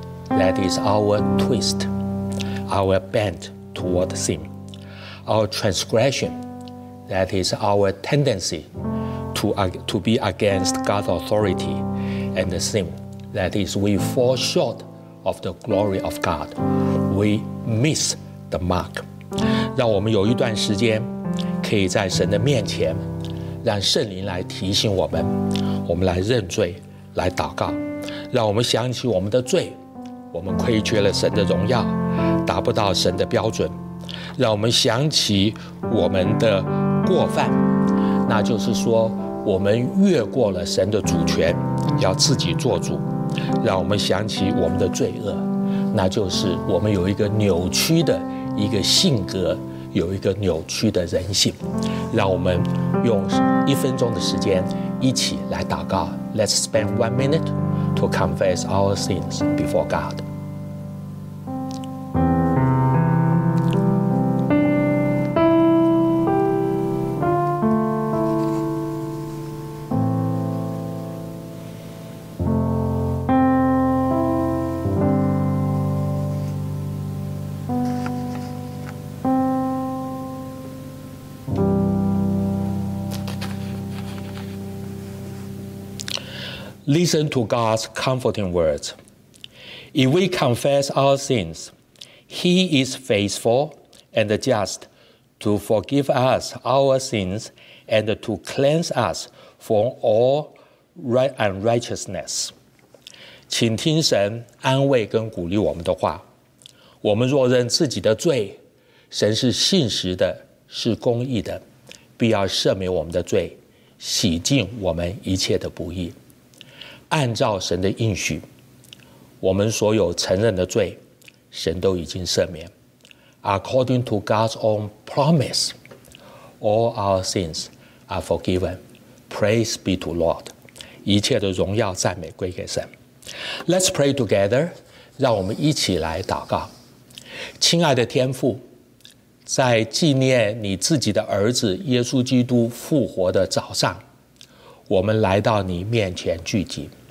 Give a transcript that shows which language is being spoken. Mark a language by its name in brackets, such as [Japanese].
[English] That is our twist, our bent toward sin. Our transgression, that is our tendency to be against God's authority and the sin. That is, we fall short of the glory of God. We miss the mark. [Chinese] 让我们有一段时间可以在神的面前，让圣灵来提醒我们，我们来认罪，来祷告，让我们想起我们的罪，我们亏缺了神的荣耀，达不到神的标准，让我们想起我们的过犯，那就是说我们越过了神的主权，要自己做主，让我们想起我们的罪恶，那就是我们有一个扭曲的一个性格，有一个扭曲的人性。让我们用一分钟的时间一起来祷告。 [English] Let's spend 1 minute to confess our sins before God. Listen to God's comforting words. If we confess our sins, He is faithful and just to forgive us our sins and to cleanse us from all unrighteousness. [Chinese] 请听神安慰跟鼓励我们的话。我们若认自己的罪，神是信实的，是公义的，必要赦免我们的罪，洗净我们一切的不义。按照神的应许，我们所有承认的罪，神都已经赦免。 [English] According to God's own promise, all our sins are forgiven. Praise be to Lord. [Chinese] 一切的荣耀赞美归给神。 [English] Let's pray together. [Chinese] 让我们一起来祷告。亲爱的天父，在纪念你自己的儿子耶稣基督复活的早上，我们来到你面前聚集。